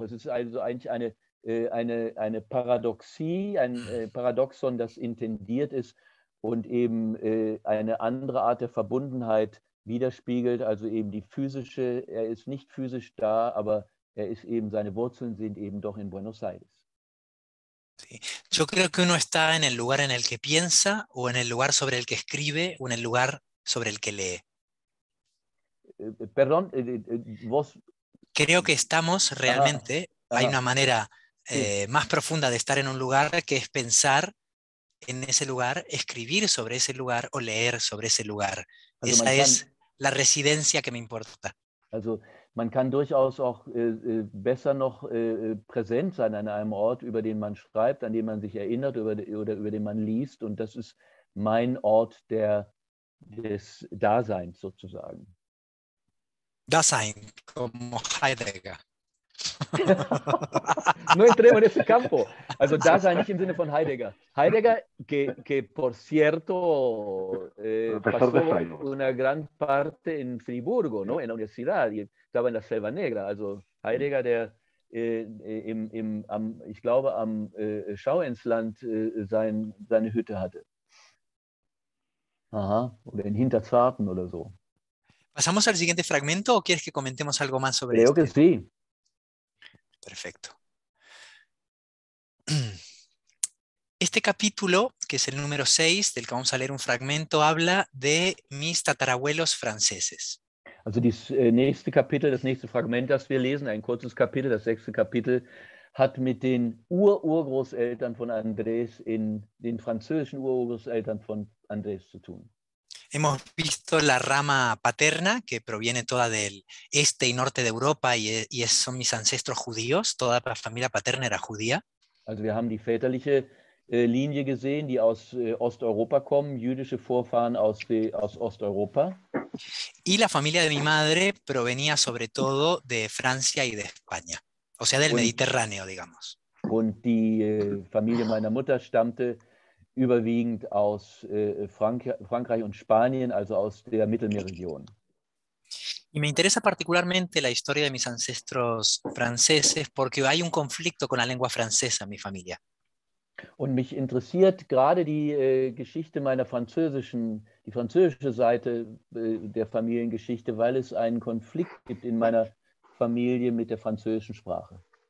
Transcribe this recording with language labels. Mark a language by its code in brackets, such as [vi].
[de] Es ist also eigentlich eine Paradoxie, ein Paradoxon, das intendiert ist und eben eine andere Art der Verbundenheit widerspiegelt, also eben die physische, er ist nicht physisch da, aber er ist eben, seine Wurzeln sind eben doch in Buenos Aires. [es] Sí. Yo creo que uno está en el lugar en el que piensa, o en el lugar sobre el que escribe, o en el lugar sobre el que lee. Perdón, vos... Creo que estamos realmente, hay una manera sí. Más profunda de estar en un lugar, que es pensar en ese lugar, escribir sobre ese lugar, o leer sobre ese lugar. Esa es la residencia que me importa. [de] Also, man kann durchaus auch besser noch präsent sein an einem Ort, über den man schreibt, an dem man sich erinnert oder über den man liest. Und das ist mein Ort des Daseins sozusagen. [es] Dasein, como Heidegger. No entremos en ese campo. [de] Also, Dasein nicht im Sinne von Heidegger. [es] Heidegger, que por cierto, pasó una gran parte en Friburgo, ¿no? En la universidad, y estaba en la Selva Negra. [de] Also, Heidegger, der am Schauensland seine Hütte hatte. Ajá, oder [es] en [de] Hinterzarten oder so. [es] ¿Pasamos al siguiente fragmento o quieres que comentemos algo más sobre esto? Creo que sí. Perfecto. Este capítulo, que es el número 6, del que vamos a leer un fragmento, habla de mis tatarabuelos franceses. [de] Also, das nächste Fragment, das wir lesen, ein kurzes Kapitel, das sechste Kapitel, hat mit den Ururgroßeltern von Andrés, in den französischen Ururgroßeltern von Andrés zu tun. [es] Hemos visto la rama paterna, que proviene toda del este y norte de Europa, y son mis ancestros judíos, toda la familia paterna era judía. [de] Also, wir haben die väterliche Linie gesehen, die aus Osteuropa kommen, jüdische Vorfahren aus Osteuropa. [es] Y la familia de mi madre provenía sobre todo de Francia y de España, o sea, del Mediterráneo, digamos. [de] Und die Familie meiner Mutter stammte überwiegend aus Frankreich und Spanien, also aus der Mittelmeerregion. [es] Y me interesa particularmente la historia de mis ancestros franceses porque hay un conflicto con la lengua francesa en mi familia. [de] Und mich interessiert gerade die Geschichte meiner französischen, die französische Seite der Familiengeschichte, weil es einen Konflikt gibt in meiner Familie mit der französischen Sprache.